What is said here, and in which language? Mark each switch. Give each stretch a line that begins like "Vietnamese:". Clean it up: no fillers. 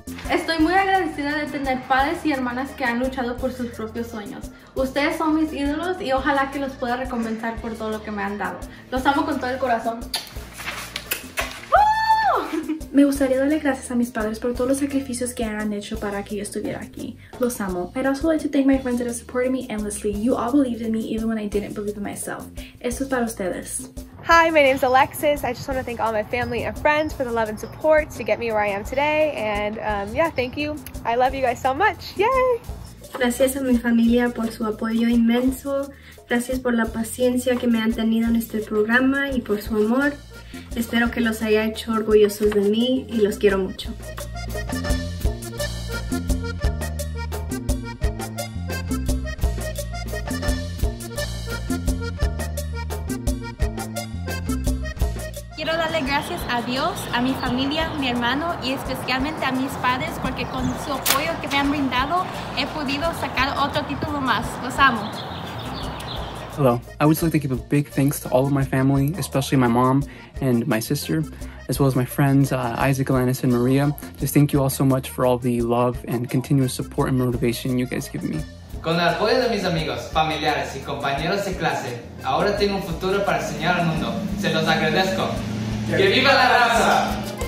Spanish: Estoy muy agradecida de tener padres y hermanas que han luchado por sus propios sueños. Ustedes son mis ídolos y ojalá que los pueda recompensar por todo lo que me han dado. Los amo con todo el corazón. Me gustaría darle gracias a mis padres por todos los sacrificios que han hecho para que yo estuviera aquí. Los amo.
English: I'd also like to thank my friends that have supported me endlessly. You all believed in me even when I didn't believe in myself.
Spanish: Esto es para ustedes.
English: Hi, my name is Alexis. I just want to thank all my family and friends for the love and support to get me where I am today. And yeah, thank you. I love you guys so much. Yay!
Spanish: Gracias a mi familia por su apoyo inmenso. Gracias por la paciencia que me han tenido en este programa y por su amor. Espero que los haya hecho orgullosos de mí y los quiero mucho. Quiero darle gracias a Dios, a mi familia, mi hermano y especialmente a mis padres porque con su apoyo que me han brindado he podido sacar otro título más. Los amo.
English: Hello. I would like to give a big thanks to all of my family, especially my mom and my sister, as well as my friends, Isaac, Alanis, and Maria. Just thank you all so much for all the love and continuous support and motivation you guys give me.
Spanish: Con el apoyo de mis amigos, familiares, y compañeros de clase, ahora tengo un futuro para enseñar al mundo. Se los agradezco. ¡Que viva la raza!